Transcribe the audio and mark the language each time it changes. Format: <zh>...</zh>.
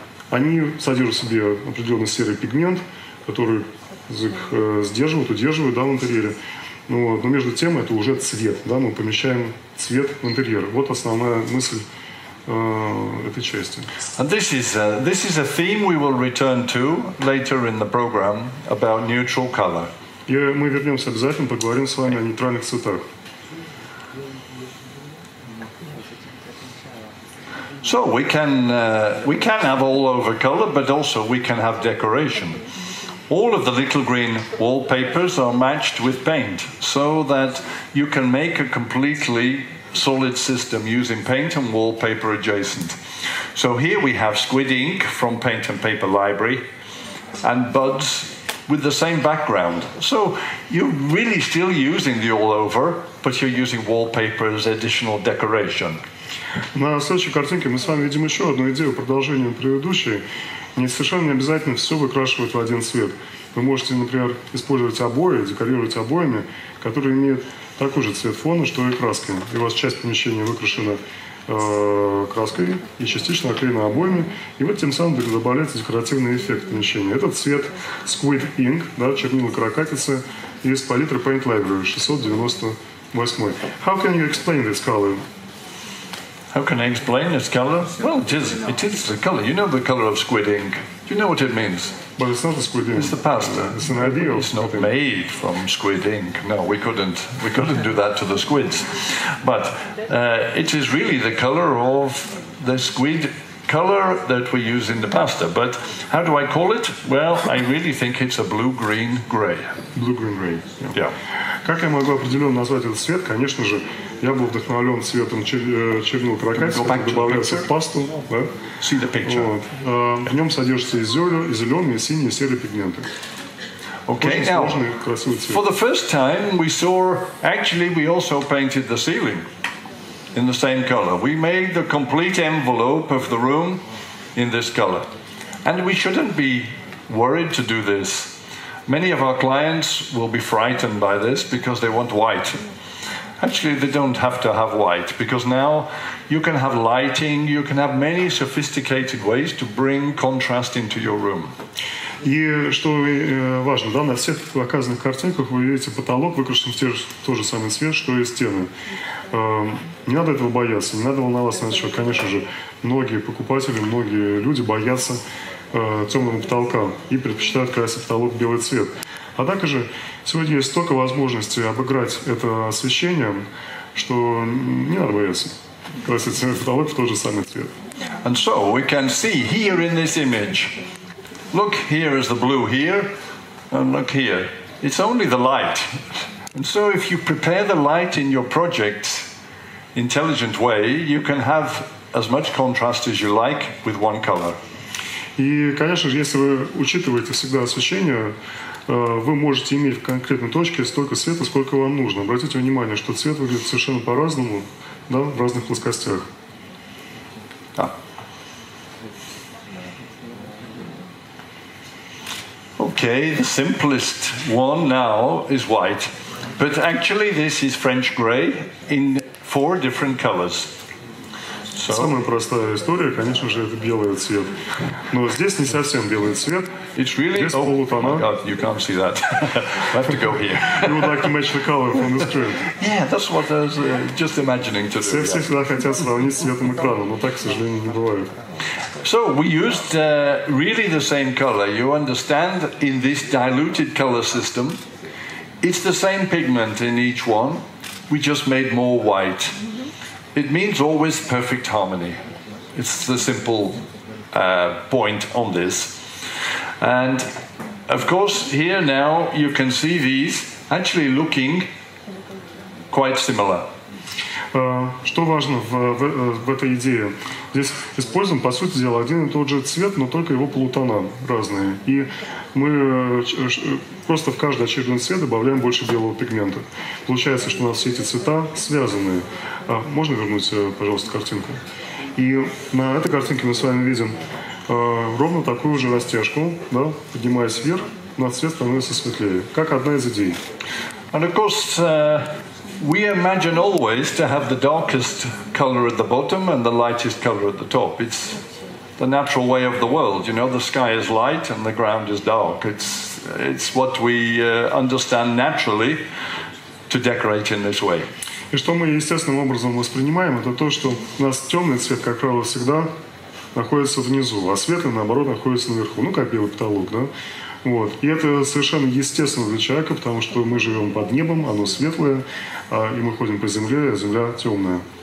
<ru>Они содержат в себе определенный серый пигмент, который их сдерживает, удерживает, да, в интерьере. Ну, вот. Но между тем это уже цвет. Да? Мы помещаем цвет в интерьер. Вот основная мысль этой части.</ru> <en>And this is a theme we will return to later in the program about neutral color.</en> <ru>И мы вернемся обязательно, поговорим с вами о нейтральных цветах.</ru> <en>So we can have all over color, but also we can have decoration. All of the little green wallpapers are matched with paint, so that you can make a completely solid system using paint and wallpaper adjacent. So here we have squid ink from Paint and Paper Library, and buds with the same background. So you're really still using the all over, but you're using wallpaper as additional decoration.</en> <ru>На следующей картинке мы с вами видим еще одну идею, продолжение предыдущей. Не совершенно не обязательно все выкрашивать в один цвет. Вы можете, например, использовать обои, декорировать обоями, которые имеют такой же цвет фона, что и краски. И у вас часть помещения выкрашена краской и частично оклеена обоями. И вот тем самым добавляется декоративный эффект помещения. Этот цвет Squid Ink, да, чернила каракатицы из палитры Paint Library 698.</ru> <en>How can you explain this color? How can I explain its color? Well, it is the color. You know the color of squid ink. You know what it means. But it's not a squid ink. It's the pasta. It's an idea. It's not made from squid ink. No, we couldn't do that to the squids. But it is really the color of the squid color that we use in the pasta. But how do I call it? Well, I really think it's a blue-green-gray. Blue-green-gray. Yeah. Yeah.</en> <ru>Как я могу определенно назвать этот цвет? Конечно же, я был вдохновлен цветом чернил крокодила, который добавляется в пасту. Да?</ru> <en>See the picture.</en> <ru>Вот. В нем содержатся и зеленые, и синие, и серые пигменты.</ru> <en>Okay.</en> <ru>Очень сложный, красивый цвет.</ru> <en>For the first time, we saw. Actually, we also painted the ceiling in the same color. We made the complete envelope of the room in this color, and we shouldn't be worried to do this. Many of our clients will be frightened by this because they want white. Actually, they don't have to have white because now you can have lighting, you can have many sophisticated ways to bring contrast into your room.</en> <ru>И что важно, да, на всех показанных картинках вы видите потолок выкрашен в тот же самый цвет, что и стены. Не надо этого бояться, не надо волноваться на счет. Конечно же, многие покупатели, многие люди боятся темного потолка и предпочитают красить потолок в белый цвет. А также сегодня есть столько возможностей обыграть это освещение, что не надо бояться красить потолок в тот же самый цвет.</ru> <en>And so we can see here in this image. Look, here is the blue here, and look here. It's only the light. And so if you prepare the light in your project intelligent way, you can have as much contrast as you like with one color.</en> <ru>И, конечно же, если вы учитываете всегда освещение, вы можете иметь в конкретной точке столько света, сколько вам нужно. Обратите внимание, что цвет выглядит совершенно по-разному, да, в разных плоскостях. Да.</ru> <en>Okay, the simplest one now is white. But actually this is French grey in four different colors. So,</en> <ru>самая простая история, конечно же, это белый цвет. Но здесь не совсем белый цвет.</ru> <en>It's really</en> <ru>здесь полутона.</ru> <en>Oh my God, you can't see that. I have to go here. You would like to match the color from the screen. Yeah, that's what I was just imagining to do.</en> <ru>Все всегда</ru> <en>yeah.</en> <ru>хотят сравнить с цветом экрана, но так, к сожалению, не бывает.</ru> <en>So we used really the same color. You understand, in this diluted color system, it's the same pigment in each one. We just made more white. It means always perfect harmony. It's the simple point on this. And of course, here now you can see these actually looking quite similar.</en> <ru>Что важно в этой идее? Здесь используем, по сути дела, один и тот же цвет, но только его полутона разные. И мы просто в каждый очередной цвет добавляем больше белого пигмента. Получается, что у нас все эти цвета связаны. Можно вернуть, пожалуйста, картинку? И на этой картинке мы с вами видим ровно такую же растяжку, да? Поднимаясь вверх, на цвет становится светлее, как одна из идей.</ru> <en>And of course, we imagine always to have the darkest color at the bottom and the lightest color at the top. It's the natural way of the world. You know, the sky is light and the ground is dark. It's what we understand naturally to decorate in this way.</en> <ru>И что мы естественным образом воспринимаем, это то, что у нас темный цвет, как правило, всегда находится внизу, а светлый, наоборот, находится наверху. Ну, как белый потолок, да? Вот. И это совершенно естественно для человека, потому что мы живем под небом, оно светлое, и мы ходим по земле, а земля темная.</ru>